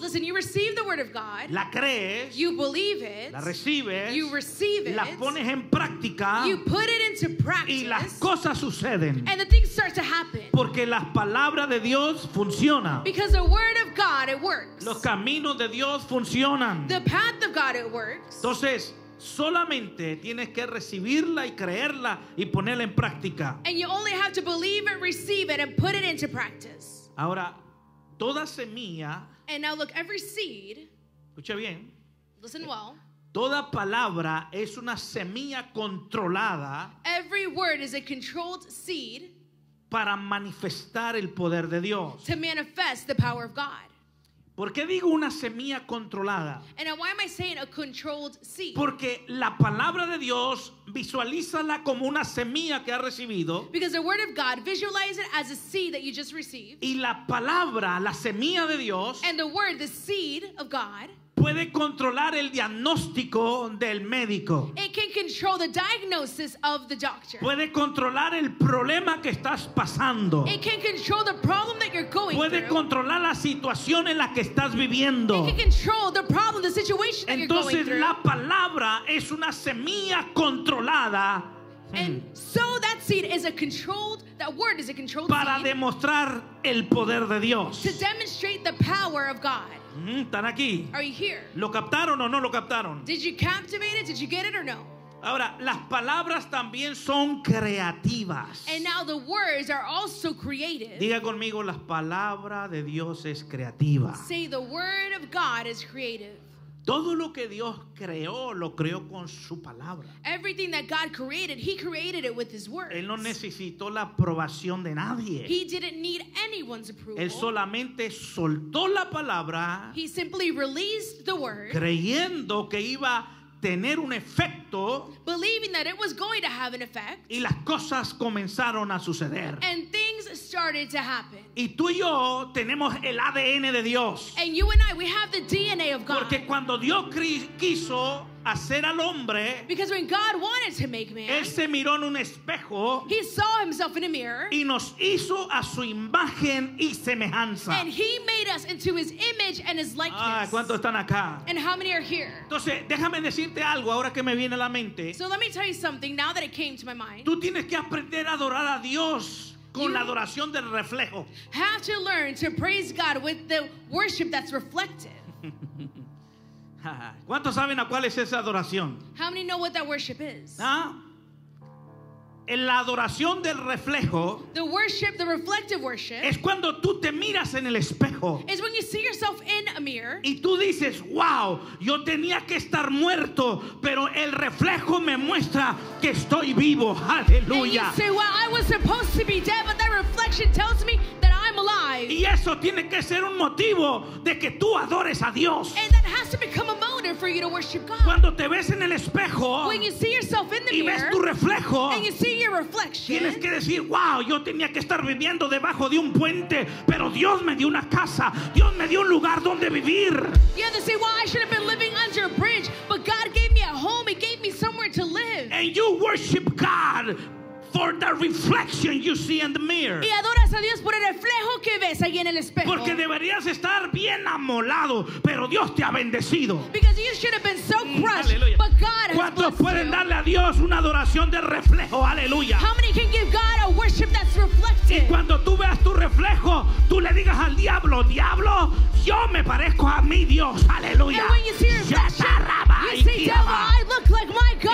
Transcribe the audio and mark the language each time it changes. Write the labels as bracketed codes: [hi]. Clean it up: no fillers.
[en] listen, you receive the word of God, [es] la crees, [en] you believe it, [es] la recibes, [en] you receive it, [es] la pones en práctica, [en] you put it into practice, [es] y las cosas suceden, [en] and the things start to happen, [es] porque la palabra de Dios funciona, [en] because the word of God, it works, [es] los caminos de Dios funcionan, [en] the path of God, it works, [es] entonces, solamente tienes que recibirla y creerla y ponerla en práctica. [en] And you only have to believe it, receive it, and put it into practice. [es] Ahora, toda semilla. [en] And now look, every seed. [es] Escucha bien. [en] Listen well. [es] Toda palabra es una semilla controlada. [en] Every word is a controlled seed. [es] Para manifestar el poder de Dios. [en] To manifest the power of God. [es] ¿Por qué digo una semilla controlada? [en] And why am I saying a controlled seed? [es] Porque la palabra de Dios, visualízala como una semilla que ha recibido. [en] Because the word of God, visualize it as a seed that you just received. [es] Y la palabra, la semilla de Dios. [en] And the word, the seed of God. [es] Puede controlar el diagnóstico del médico. [en] It can control the diagnosis of the doctor. [es] Puede controlar el problema que estás pasando. [en] It can control the problem that you're going [es] puede [en] through. [es] Controlar la situación en la que estás viviendo. [en] It can control the problem, the situation that [es] entonces, [en] you're going through. [es] La palabra es una semilla controlada. [en] And so that seed is a controlled, that word is a controlled [es] para [en] seed [es] demostrar el poder de Dios. [en] To demonstrate the power of God. [es] Están aquí. [en] Are you here? [es] ¿Lo captaron o no lo captaron? [en] Did you captivate it? Did you get it or no? [es] Ahora, las palabras también son creativas. [en] And now the words are also creative. [es] Diga conmigo, las palabras de Dios es creativa. [en] Say the word of God is creative. [es] Todo lo que Dios creó, lo creó con su palabra. [en] Everything that God created, he created it with his words. [es] Él no necesitó la aprobación de nadie. [en] He didn't need anyone's approval. [es] Él solamente soltó la palabra. [en] He simply released the word. [es] Creyendo que iba a tener un efecto. [en] Believing that it was going to have an effect. [es] Y las cosas comenzaron a suceder. [en] And things started to happen. [es] Y tú y yo tenemos el ADN de Dios. [en] And you and I, we have the DNA of God. [es] Porque cuando Dios quiso hacer al hombre, [en] because when God wanted to make man, [es] él se miró en un espejo, [en] he saw himself in a mirror, [es] y nos hizo a su imagen y semejanza, [en] and he made us into his image and his likeness. [es] Ah, ¿cuántos están acá? [en] And how many are here? [es] Entonces, déjame decirte algo ahora que me viene a la mente. [en] So let me tell you something now that it came to my mind. [es] Tú tienes que aprender a adorar a Dios. con la adoración del reflejo. [en] Have to learn to praise God with the worship that's reflected. [es] ¿Cuántos saben a cuál es esa adoración? [en] How many know what that worship is? [es] En la adoración del reflejo, [en] the worship, the reflective worship, [es] es cuando tú te miras en el espejo, [en] is when you see yourself in a mirror, [es] y tú dices, wow, yo tenía que estar muerto, pero el reflejo me muestra que estoy vivo. Aleluya. [en] And you say, well, I was supposed to be dead, but that reflection tells me that I'm alive. [es] Y eso tiene que ser un motivo de que tú adores a Dios. [en] And that has to become a motive for you to worship God. [es] Cuando te ves en el espejo, [en] when you see yourself in the mirror, [es] y ves tu reflejo, [en] and you see your reflection, [es] tienes que decir, wow, yo tenía que estar viviendo debajo de un puente, pero Dios me dio una casa, Dios me dio un lugar donde vivir. [en] You have to say, well, I should have been living under a bridge, but God gave me a home, He gave me somewhere to live. And you worship God for the reflection you see in the mirror. [es] Y adoras a Dios por el reflejo que ves ahí en el espejo. Porque deberías estar bien amolado, pero Dios te ha bendecido. [en] Because you should have been so crushed, but God has blessed you. [es] ¿Cuántos pueden darle a Dios una adoración de reflejo? Aleluya. [en] How many can give God a worship that's reflected? [es] Y cuando tú veas tu reflejo, tú le digas al diablo, diablo, yo me parezco a mi Dios. Aleluya. [en] And when you see your reflection, you say, devil, I look like my God.